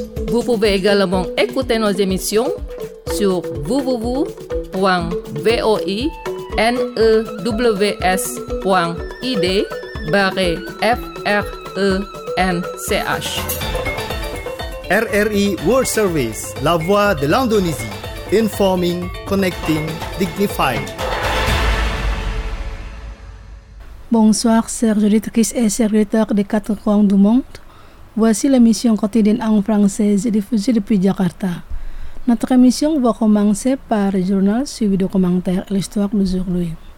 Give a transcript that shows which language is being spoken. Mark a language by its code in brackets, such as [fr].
[fr] Vous pouvez également écouter nos émissions sur www.voinews.id/french. RRI World Service, la voix de l'Indonésie. [en] Informing, connecting, dignifying. [fr] Bonsoir, chers auditeurs et serviteurs des quatre coins du monde. Voici l'émission quotidienne en français diffusée depuis Jakarta. Notre émission va commencer par le journal suivi de commentaires et l'histoire d'aujourd'hui.